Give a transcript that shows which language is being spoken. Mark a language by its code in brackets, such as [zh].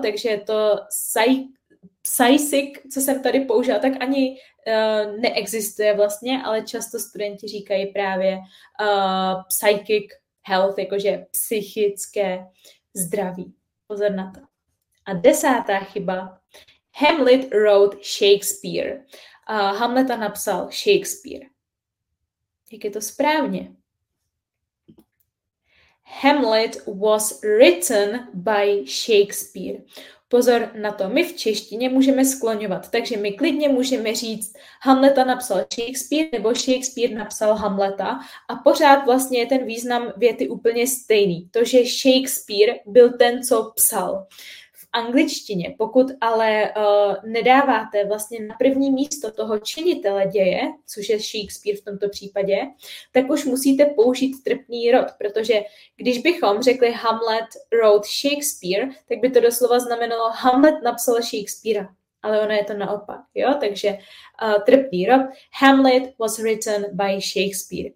[cs] Takže je to psychic, co jsem tady použila, tak ani neexistuje vlastně, ale často studenti říkají právě [en] psychic health, [cs] jakože psychické zdraví. Pozor na to. A desátá chyba. [en] Hamlet wrote Shakespeare. [cs] Hamleta napsal Shakespeare. Jak je to správně? [en] Hamlet was written by Shakespeare. [cs] Pozor na to, my v češtině můžeme skloňovat, takže my klidně můžeme říct Hamleta napsal Shakespeare nebo Shakespeare napsal Hamleta a pořád vlastně je ten význam věty úplně stejný. To, že Shakespeare byl ten, co psal. angličtině. Pokud ale nedáváte vlastně na první místo toho činitele děje, což je Shakespeare v tomto případě, tak už musíte použít trpný rod, protože když bychom řekli [en] Hamlet wrote Shakespeare, [cs] tak by to doslova znamenalo Hamlet napsal Shakespeara. Ale ono je to naopak, jo? Takže trpný rod. [en] Hamlet was written by Shakespeare.